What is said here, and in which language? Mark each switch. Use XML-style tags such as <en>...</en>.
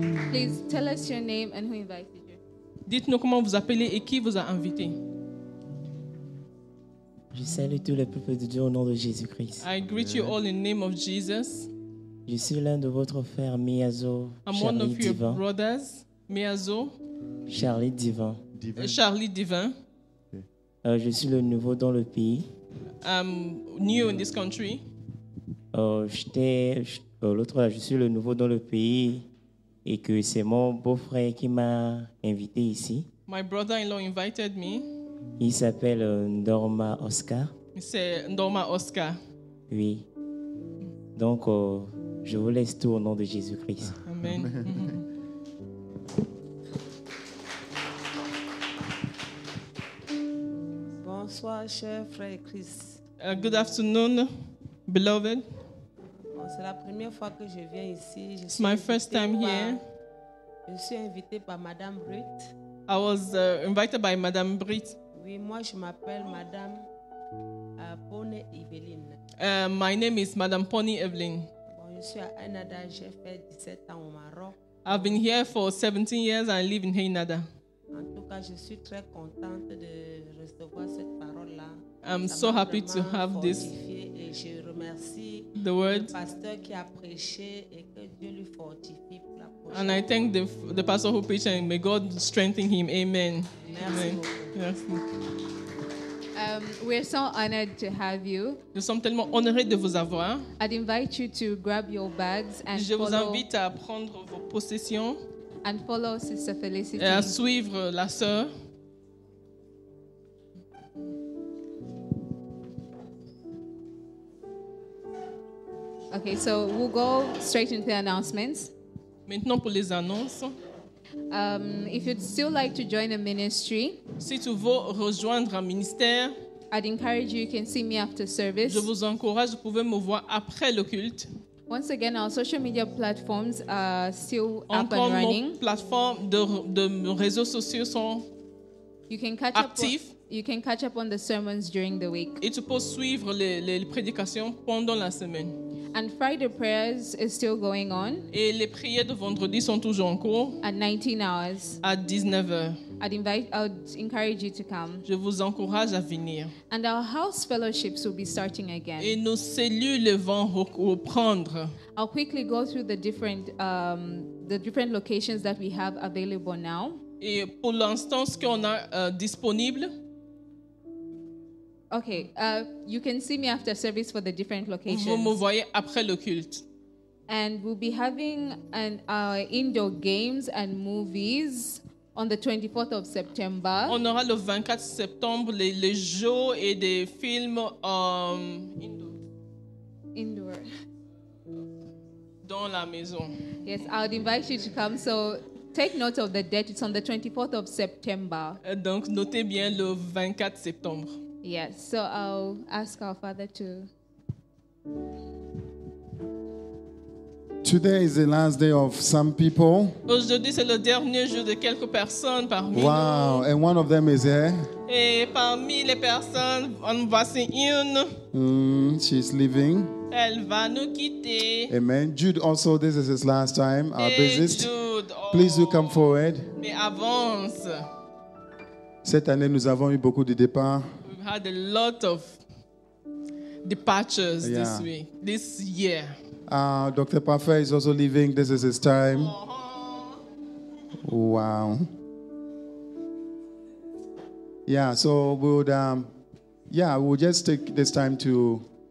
<en>Please tell us your name and who invited you.</en> <fr>Dites-nous comment vous appelez et qui vous a invité. Je salue tous les peuples de Dieu au nom de Jésus-Christ.</fr> <en>I greet you all in the name of Jesus.</en> <fr>Je suis l'un de votre frère Miazo,</fr> <en>I'm one of your Divin. Brothers, Miazo. Charlie Divin. Charlie Divin. Okay.</en> <fr>Je suis le nouveau dans le pays.</fr> <en>I'm new in this country.</en> <fr>Je suis le nouveau dans le pays et que c'est mon beau-frère qui m'a invité ici.</fr> <en>My brother-in-law invited me.</en> <fr>Il s'appelle Ndorma Oscar. C'est Ndorma Oscar. Oui. Donc, je vous laisse tout au nom de Jésus-Christ. Amen. Bonsoir, cher frère Chris.</fr> <en>Good afternoon, beloved.</en> <fr>Bon, c'est la première fois que je viens ici. Je</fr> <en>It's my first time</en> <fr>par,</fr> <en>here.</en> <fr>Je suis invitée par Madame Britt.</fr> <en>I was invited by Madame Britt.</en> <fr>Oui, moi je m'appelle Madame Pony Evelyn.</fr> <en>My name is Madame Pony Evelyn.</en> <fr>Bon, je suis à Enada, j'ai fait 17 ans au Maroc.</fr> <en>I've been here for 17 years and I live in Enada.</en> <fr>En tout cas, je suis très contente de recevoir cette parole-là.</fr> <en>I'm so happy to have this.</en> <fr>Et je remercie</fr> <en>the word.</en> <fr>Le pasteur qui a prêché et que Dieu lui fortifie pour la prochaine.</fr> <en>And I thank the pastor who preached and may God strengthen him. Amen. We are so honored to have you.</en> <fr>Nous sommes tellement honorés de vous avoir.</fr> <en>I'd invite you to grab your bags and</en> <fr>je vous invite à prendre vos possessions.</fr> <en>And follow Sister Felicity.</en> <fr>Et à suivre la sœur.</fr> <en>Okay, so we'll go straight into the announcements.</en> <fr>Maintenant pour les annonces.</fr> <en>If you'd still like to join a ministry,</en> <fr>si tu veux rejoindre un ministère,</fr> <en>I'd encourage you, you can see me after service.</en> <fr>Je vous encourage, vous pouvez me voir après le culte.</fr> <en>Once again, our social media platforms are still</en> <fr>encore</fr> <en>up and running.</en> <fr>Nos plateformes de réseaux sociaux sont</fr> <en>you can catch</en> <fr>actives.</fr> <en>You can catch up on the sermons during the week.</en> <fr>Et tu peux suivre les prédications pendant la semaine.</fr> <en>And Friday prayers is still going on.</en> <fr>Et les prières de vendredi sont toujours en cours.</fr> <en>At 19 hours.</en> <fr>À 19h.</fr> <en>I'd encourage you to come.</en> <fr>Je vous encourage à venir.</fr> <en>And our house fellowships will be starting again.</en> <fr>Et nos cellules vont reprendre.</fr> <en>I'll quickly go through the different locations that we have available now.</en> <fr>Et pour l'instant, ce qu'on a disponible.</fr> <en>Okay, you can see me after service for the different locations.</en> <fr>Vous me voyez après le culte.</fr> <en>And we'll be having indoor games and movies on the 24th of September.</en> <fr>On aura le 24 septembre les jeux et des films</fr> <en>indoor.</en> <fr>Dans la maison.</fr> <en>Yes, I would invite you to come. So take note of the date. It's on the 24th of September.</en> <fr>Donc notez bien le 24 septembre.</fr> <en>Yes, so I'll ask our Father to. Today is the last day of some people.</en> <fr>Aujourd'hui c'est le dernier jour de quelques personnes parmi nous.</fr> <en>Wow, and one of them is here.</en> <fr>Et parmi les personnes, en voici une.</fr> <en>She's leaving.</en> <fr>Elle va nous quitter.</fr> <en>Amen. Jude, also this is his last time. Our bassist. Jude, please do come forward.</en> <fr>Mais avance. Cette année nous avons eu beaucoup de départs.</fr> <en>Had a lot of departures this week, this year. Dr. Parfait is also leaving. This is his time. Uh-huh. Wow. Yeah, so we'll just take this time to.</en>